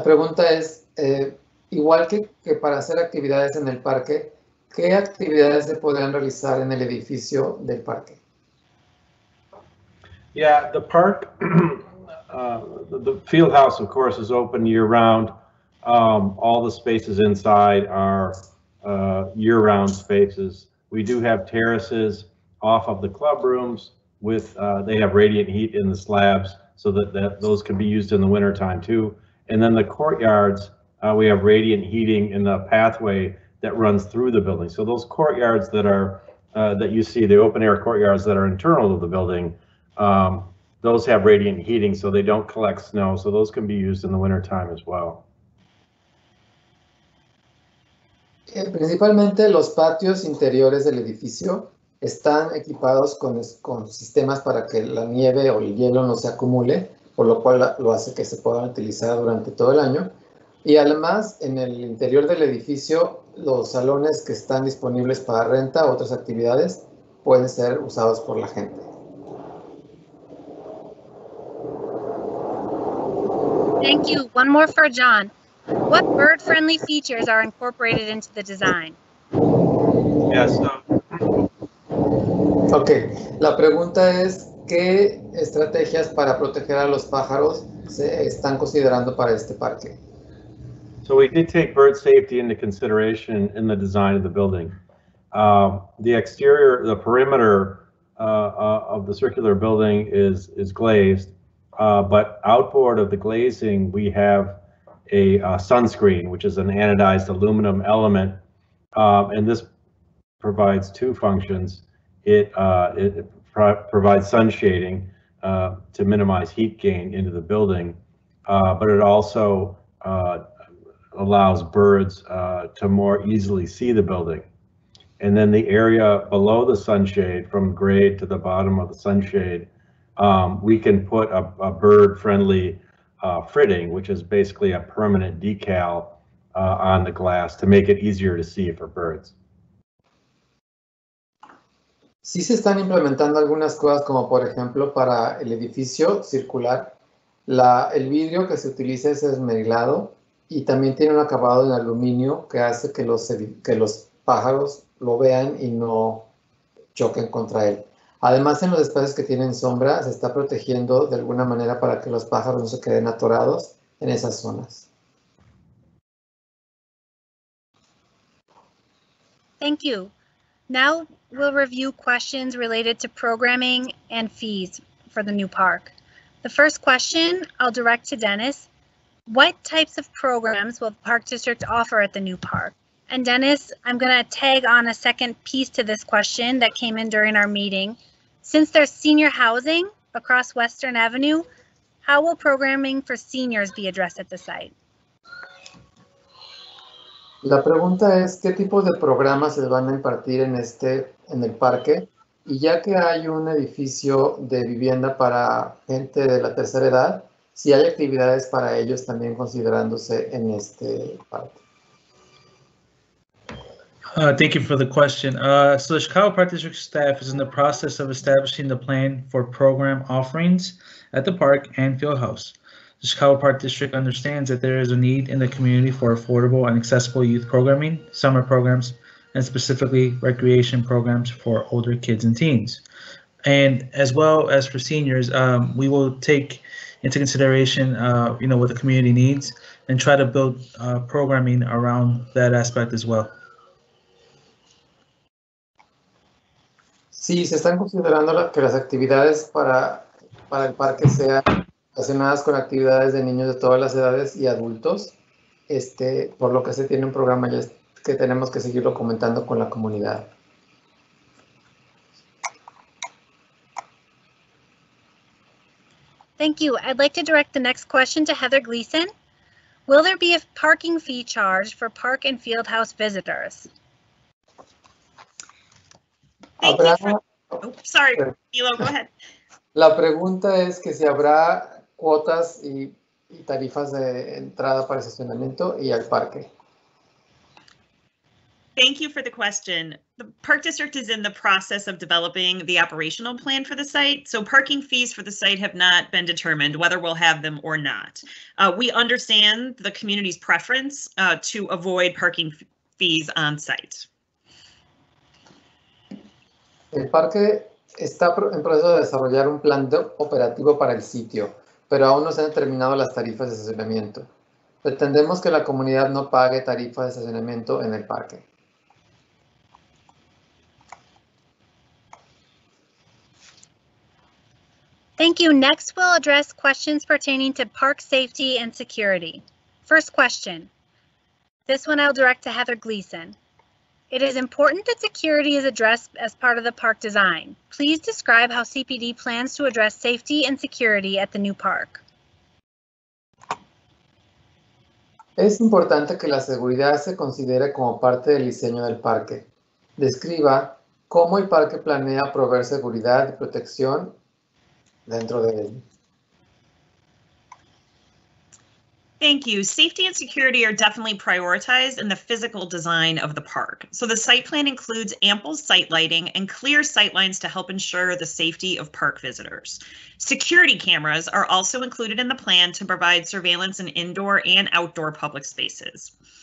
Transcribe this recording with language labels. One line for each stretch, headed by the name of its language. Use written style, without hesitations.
Spanish: La pregunta es, igual que para hacer actividades en el parque, ¿qué actividades se podrán realizar en el edificio del parque?
English: Yeah, the park, the field house, of course, is open year round. All the spaces inside are year round spaces. We do have terraces off of the club rooms with they have radiant heat in the slabs so that those can be used in the wintertime too. And then the courtyards, we have radiant heating in the pathway that runs through the building. So those courtyards that are that you see, the open air courtyards that are internal to the building, those have radiant heating, so they don't collect snow. So those can be used in the wintertime as well.
Spanish: Principalmente los patios interiores del edificio están equipados con sistemas para que la nieve o el hielo no se acumule, por lo cual lo hace que se puedan utilizar durante todo el año. Y además, en el interior del edificio, los salones que están disponibles para renta u otras actividades pueden ser usados por la gente.
English: Thank you. One more for John. What bird-friendly features are incorporated into the design? Yes. Okay.
Spanish: La pregunta es, ¿qué estrategias para proteger a los pájaros se están considerando para este parque?
English: So we did take bird safety into consideration in the design of the building. The exterior, the perimeter of the circular building is glazed. But outboard of the glazing, we have a sunscreen, which is an anodized aluminum element. And this provides two functions. It provides sun shading to minimize heat gain into the building, but it also allows birds to more easily see the building. And then the area below the sunshade, from grade to the bottom of the sunshade, we can put a bird-friendly fritting, which is basically a permanent decal on the glass to make it easier to see for birds.
Spanish: Sí se están implementando algunas cosas, como por ejemplo para el edificio circular, el vidrio que se utiliza es esmerilado y también tiene un acabado en aluminio que hace que los pájaros lo vean y no choquen contra él. Además, en los espacios que tienen sombra, se está protegiendo de alguna manera para que los pájaros no se queden atorados en esas zonas.
English: Thank you. Now we'll review questions related to programming and fees for the new park. The first question I'll direct to Dennis. What types of programs will the park district offer at the new park? And Dennis, I'm going to tag on a second piece to this question that came in during our meeting. Since there's senior housing across Western Avenue, how will programming for seniors be addressed at the site?
Spanish: La pregunta es, ¿qué tipo de programas se van a impartir en el parque? Y ya que hay un edificio de vivienda para gente de la tercera edad, ¿si hay actividades para ellos también considerándose en este parque?
English: Thank you for the question. So the Chicago Park District staff is in the process of establishing the plan for program offerings at the park and fieldhouse. The Chicago Park District understands that there is a need in the community for affordable and accessible youth programming, summer programs, and specifically recreation programs for older kids and teens. And as well as for seniors, we will take into consideration, what the community needs and try to build programming around that aspect as well.
Spanish: Sí, se están considerando que las actividades para el parque sean relacionadas con actividades de niños de todas las edades y adultos, por lo que se tiene un programa que tenemos que seguirlo comentando con la comunidad.
English: Thank you. I'd like to direct the next question to Heather Gleason. Will there be a parking fee charge for park and field house visitors?
Spanish: La pregunta es que si habrá cuotas y tarifas de entrada para estacionamiento y al parque.
English: Thank you for the question. The Park District is in the process of developing the operational plan for the site, so parking fees for the site have not been determined whether we'll have them or not. We understand the community's preference to avoid parking fees on site.
Spanish: El parque está en proceso de desarrollar un plan de operativo para el sitio, pero aún no se han determinado las tarifas de estacionamiento. Pretendemos que la comunidad no pague tarifas de estacionamiento en el parque.
English: Thank you. Next, we'll address questions pertaining to park safety and security. First question. This one I'll direct to Heather Gleason. It is important that security is addressed as part of the park design. Please describe how CPD plans to address safety and security at the new park.
Spanish: Es importante que la seguridad se considere como parte del diseño del parque. Describa cómo el parque planea proveer seguridad y protección dentro de él.
English: Thank you. Safety and security are definitely prioritized in the physical design of the park. So the site plan includes ample sight lighting and clear sight lines to help ensure the safety of park visitors. Security cameras are also included in the plan to provide surveillance in indoor and outdoor public spaces.